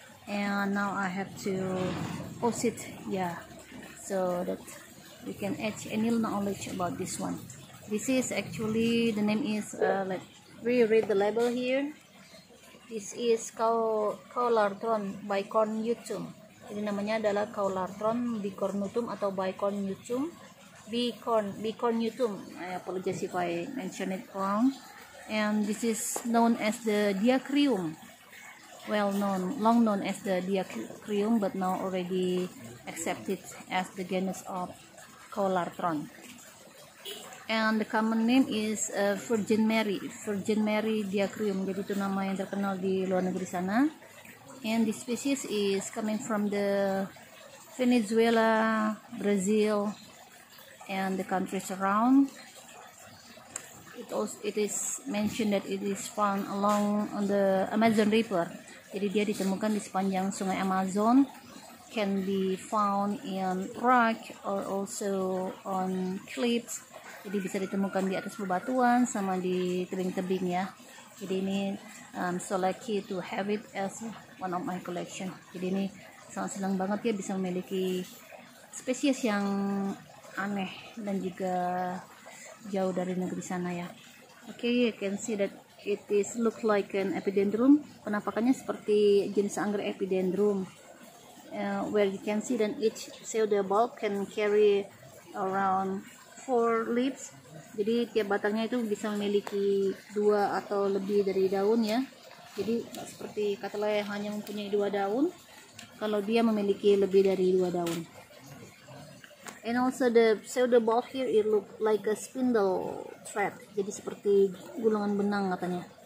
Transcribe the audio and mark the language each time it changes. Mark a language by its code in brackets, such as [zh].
[en] And now I have to post it, yeah, so that we can add any knowledge about this one. This is actually, the name is, we read the label here. This is Caulartron bicornutum. [id] Jadi namanya adalah Caulartron bicornutum atau bicornutum. [en] Bicornutum, I apologize if I mention it wrong. And this is known as the Diacrium. Well known, long known as the Diacrium, but now already accepted as the genus of Caulartron. And the common name is Virgin Mary Diacrium. [id] Jadi itu nama yang terkenal di luar negeri sana. [en] And this species is coming from the Venezuela, Brazil, and the countries around. It is mentioned that it is found along on the Amazon River. [id] Jadi dia ditemukan di sepanjang sungai Amazon. [en] Can be found in rock or also on cliffs. [id] Jadi bisa ditemukan di atas bebatuan sama di tebing-tebing ya. Jadi ini [en] so lucky to have it as one of my collection. [id] Jadi ini sangat senang banget ya bisa memiliki spesies yang aneh dan juga jauh dari negeri sana ya. [en] Oke, okay, you can see that it is look like an epidendrum. [id] Penampakannya seperti jenis anggrek epidendrum. [en] Where you can see that each pseudobulb bulb can carry around 4 leaves. [id] Jadi tiap batangnya itu bisa memiliki 2 atau lebih dari daun ya. Jadi seperti katalah yang hanya mempunyai 2 daun, kalau dia memiliki lebih dari 2 daun. [en] And also the pseudobulb here, it look like a spindle thread. [id] Jadi seperti gulungan benang katanya.